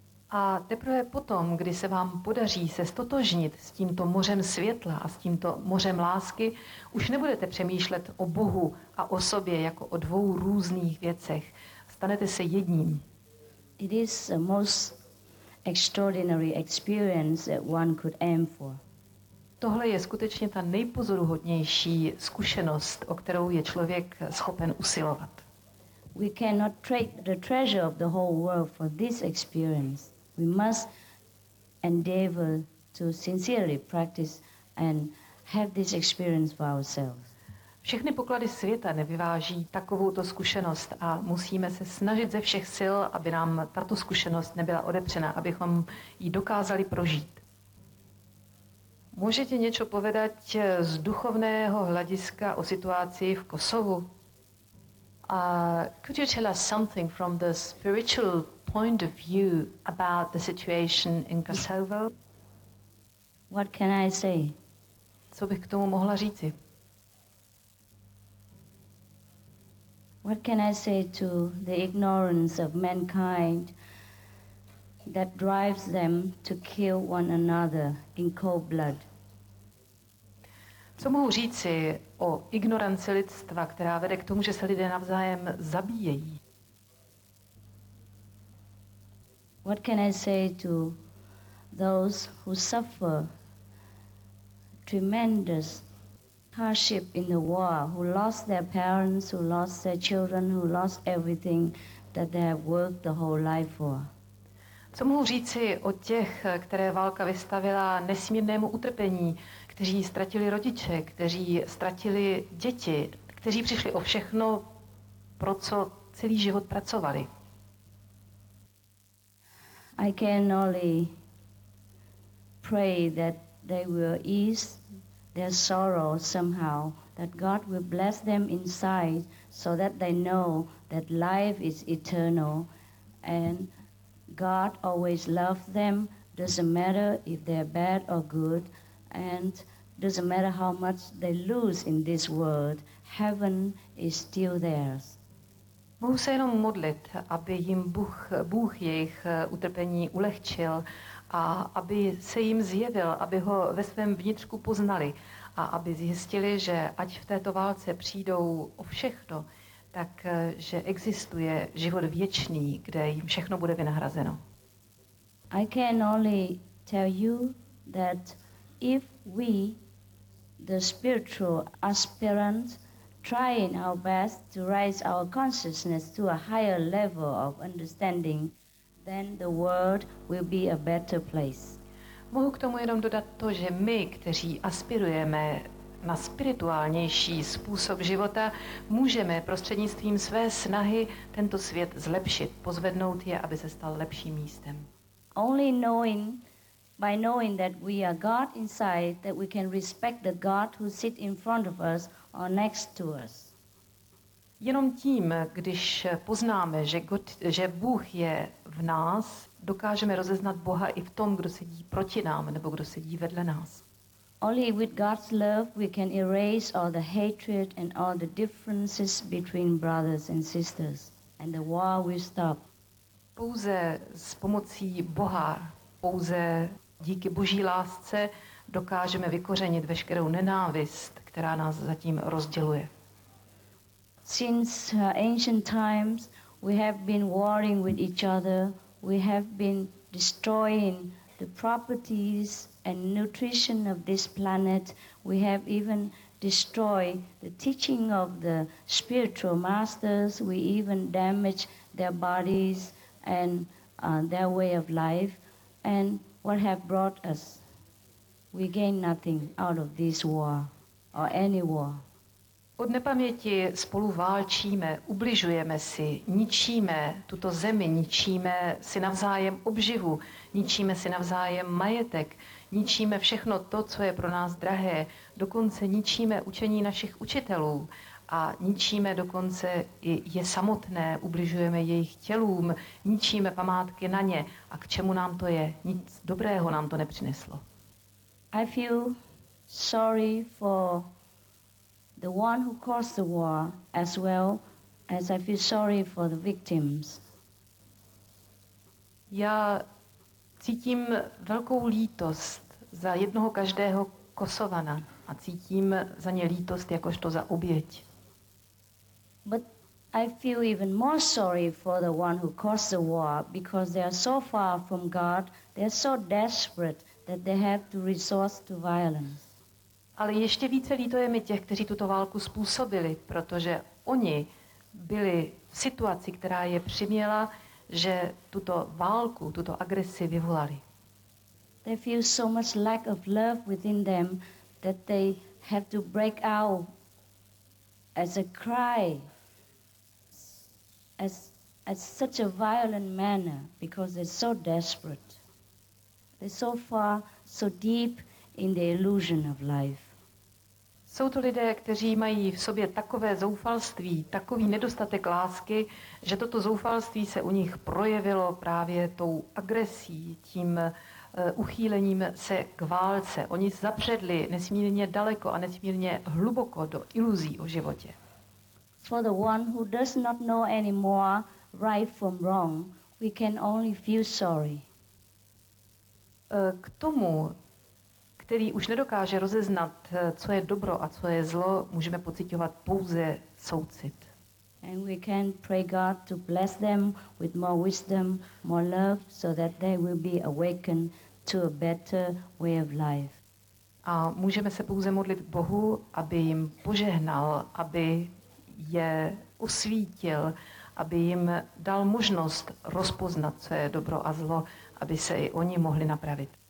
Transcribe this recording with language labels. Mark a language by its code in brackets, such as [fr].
[cs] A teprve potom, kdy se vám podaří se ztotožnit s tímto mořem světla a s tímto mořem lásky, už nebudete přemýšlet o Bohu a o sobě jako o dvou různých věcech. Stanete se jedním. [en] It is the most extraordinary experience that one could aim for. [cs] Tohle je skutečně ta nejpozoruhodnější zkušenost, o kterou je člověk schopen usilovat. [en] We cannot trade the treasure of the whole world for this experience. We must endeavor to sincerely practice and have this experience for ourselves. [cs] Všechny poklady světa nevyváží takovouto zkušenost a musíme se snažit ze všech sil, aby nám tato zkušenost nebyla odepřena, abychom ji dokázali prožít. Můžete něco povedat z duchovného hlediska o situaci v Kosovu? [en] Could you tell us something from the spiritual point of view about the situation in Kosovo? What can I say? [cs] Co bych k tomu mohla říci? [en] What can I say to the ignorance of mankind that drives them to kill one another in cold blood? [cs] Co mohu říci o ignoranci lidstva, která vede k tomu, že se lidé navzájem zabíjejí? [en] What can I say to those who suffer tremendous hardship in the war, who lost their parents, who lost their children, who lost everything that they have worked the whole life for? [cs] Co mohu říci o těch, které válka vystavila nesmírnému utrpení, kteří ztratili rodiče, kteří ztratili děti, kteří přišli o všechno, pro co celý život pracovali? [en] I can only pray that they will ease their sorrow somehow, that God will bless them inside so that they know that life is eternal and God always loves them, doesn't matter if they're bad or good, and doesn't matter how much they lose in this world, heaven is still theirs. [cs] Mohu se jenom modlit, aby jim Bůh jejich utrpení ulehčil a aby se jim zjevil, aby ho ve svém vnitřku poznali a aby zjistili, že ať v této válce přijdou o všechno, tak že existuje život věčný, kde jim všechno bude vynahrazeno. [en] I can only tell you that if we, the spiritual aspirants, trying our best to raise our consciousness to a higher level of understanding, then the world will be a better place. [cs] Mohu k tomu jenom dodat to, že my, kteří aspirujeme na spirituálnější způsob života, můžeme prostřednictvím své snahy tento svět zlepšit, pozvednout je, aby se stal lepším místem. [en] Only knowing, by knowing that we are God inside, that we can respect the God who sit in front of us or next to us. [cs] Jenom tím, když poznáme, že Bůh je v nás, dokážeme rozeznat Boha i v tom, kdo sedí proti nám nebo kdo sedí vedle nás. [en] Only with God's love we can erase all the hatred and all the differences between brothers and sisters and the war will stop. [cs] Pouze s pomocí Boha, pouze díky Boží lásce dokážeme vykořenit veškerou nenávist, která nás zatím rozděluje. [en] Since ancient times we have been warring with each other, we have been destroying the properties and nutrition of this planet, we have even destroyed the teaching of the spiritual masters, we even damaged their bodies and their way of life, and what have brought us? We gain nothing out of this war or any war. [cs] Od nepaměti spolu válčíme, ubližujeme si, ničíme tuto zemi, ničíme si navzájem obživu, ničíme si navzájem majetek, ničíme všechno to, co je pro nás drahé, dokonce ničíme učení našich učitelů a ničíme dokonce i je samotné, ubližujeme jejich tělům, ničíme památky na ně a k čemu nám to je? Nic dobrého nám to nepřineslo. [en] I feel sorry for the one who caused the war as well as I feel sorry for the victims. [cs] Já cítím velkou lítost za jednoho každého Kosovana a cítím za ně lítost jakožto za oběť. [en] But I feel even more sorry for the one who caused the war because they are so far from God, they are so desperate that they have to resort to violence. [cs] Ale ještě více lítuje mi těch, kteří tuto válku způsobili, protože oni byli v situaci, která je přiměla, že tuto válku, tuto agresi vyvolali. [en] They feel so much lack of love within them that they have to break out as a cry, as such a violent manner, because they're so desperate. They're so far, so deep in the illusion of life. [cs] Jsou to lidé, kteří mají v sobě takové zoufalství, takový nedostatek lásky, že toto zoufalství se u nich projevilo právě tou agresí, tím uchýlením se k válce. Oni zapředli nesmírně daleko a nesmírně hluboko do iluzí o životě. [en] For the one who does not know anymore right from wrong, we can only feel sorry. [cs] K tomu, který už nedokáže rozeznat, co je dobro a co je zlo, můžeme pociťovat pouze soucit. [en] And we can pray God to bless them with more wisdom, more love, so that they will be awakened to a better way of life. [cs] A můžeme se pouze modlit Bohu, aby jim požehnal, aby je osvítil, aby jim dal možnost rozpoznat, co je dobro a zlo, aby se i oni mohli napravit.